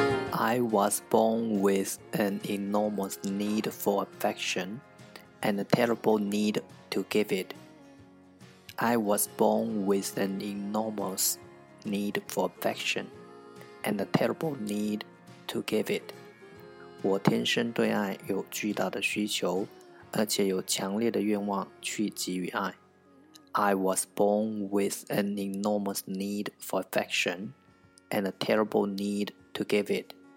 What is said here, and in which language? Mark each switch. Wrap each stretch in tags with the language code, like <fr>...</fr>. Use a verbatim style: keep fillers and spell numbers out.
<en>I was born with an enormous need for affection and a terrible need to give it. I was born with an enormous need for affection and a terrible need to give it.</en> <zh>我天生对爱有巨大的需求，而且有强烈的愿望去给予爱。</zh> <en>I was born with an enormous need for affection and a terrible need to give it.</en>